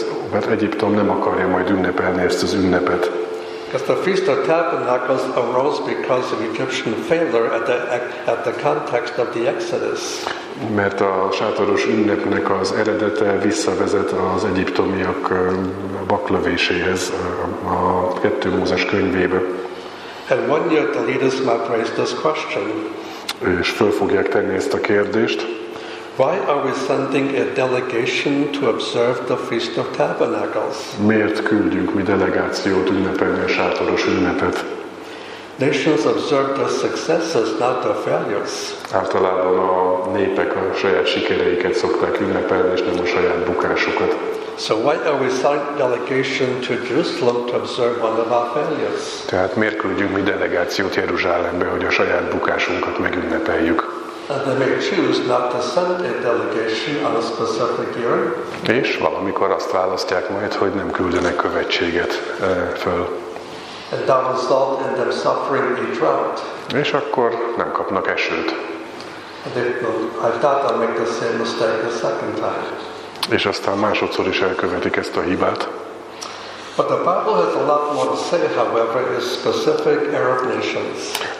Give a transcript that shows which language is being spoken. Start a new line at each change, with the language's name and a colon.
Hungarian: Mert Egyiptom nem akarja majd ünnepelni ezt az ünnepet.
English: Because the Feast of Tabernacles arose because of Egyptian failure at the context of the Exodus.
Hungarian: Mert a sátoros ünnepnek az eredete visszavezet az egyiptomiak baklövéséhez a 2. Mózes könyvébe.
English: And one year the leaders might raise this question.
Hungarian: És föl fogják tenni ezt a kérdést.
English: Why are we sending a delegation to observe the Feast of Tabernacles?
Hungarian: Miért küldjük mi delegációt ünnepelni a sátoros ünnepet?
English: Nations observe their successes, not their failures.
Hungarian: Általában a népek a saját sikereiket szokták ünnepelni, és nem a saját bukásukat.
English: So why are we sending a delegation to Jerusalem to observe one of our failures?
Hungarian: Tehát miért küldjük mi delegációt Jeruzsálembe, hogy a saját bukásunkat megünnepeljük?
English: And they may choose not to send a delegation on a specific year.
Hungarian: És valamikor azt választják majd, hogy nem küldenek követséget föl.
English: And that will result in them suffering a drought.
Hungarian: És akkor nem kapnak esőt.
English: And I thought I'd make the same mistake a second time.
Hungarian: És aztán másodszor is elkövetik ezt a hibát.
English: But the Bible has a lot more to say, however, is specific Arab nations.